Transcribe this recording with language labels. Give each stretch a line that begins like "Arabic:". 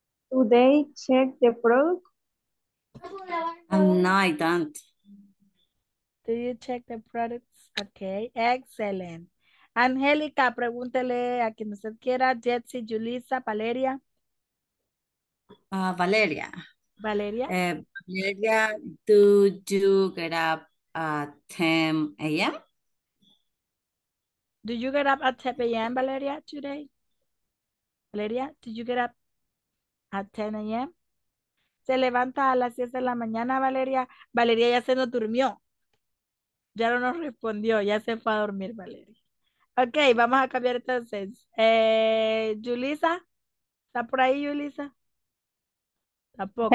English: Do they check the product? No, I don't. Do you check the products? Ok, excellent.
Spanish: Angélica, pregúntele a quien usted quiera, Jetsi, Julissa, Valeria. Valeria. Valeria.
English: Valeria, do you get up at 10 a.m.? Do you get up at 10 a.m., Valeria, today? Valeria, do you get up at 10 a.m.?
Spanish: ¿Se levanta a las 10 de la mañana, Valeria? Valeria ya se nos durmió. Ya no nos respondió, ya se fue a dormir, Valeria. Ok, vamos a cambiar entonces. Julissa, ¿está por ahí, Julissa? Tampoco.